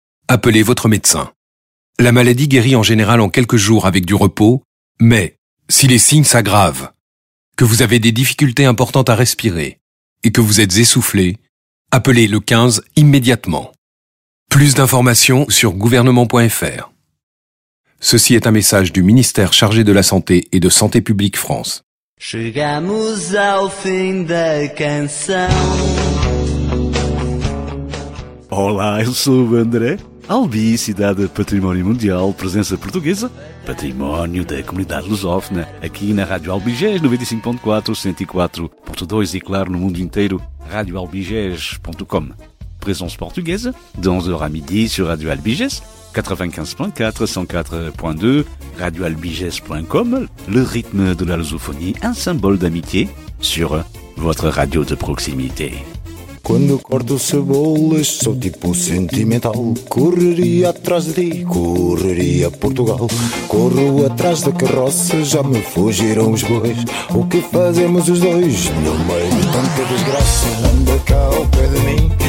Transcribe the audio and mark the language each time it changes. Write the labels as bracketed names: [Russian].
[French] Appelez votre médecin. La maladie guérit en général en quelques jours avec du repos, mais si les signes s'aggravent, que vous avez des difficultés importantes à respirer et que vous êtes essoufflé, appelez le 15 immédiatement. Plus d'informations sur gouvernement.fr. Ceci est un message du ministère chargé de la Santé et de Santé publique France. [Portuguese] Chegamos ao fim da canção. Olá, eu sou o André. Albi, cidade património mundial, presença portuguesa. Património da comunidade lusófona, aqui na Rádio Albigés 95.4, 104.2 e claro no mundo inteiro, radioalbigés.com. [French] Présence portuguesa, de 11h à midi sur Radio Albigès, 95.4, 104.2, radioalbigès.com, le rythme de la lusophonie, un symbole d'amitié, sur votre radio de proximité. [Portuguese] Quando corto cebolas, sou tipo sentimental. Correria atrás de ti, correria Portugal. Corro atrás da carroça, já me fugiram os bois. O que fazemos os dois? No meio de tanta desgraça, anda cá ao pé de mim.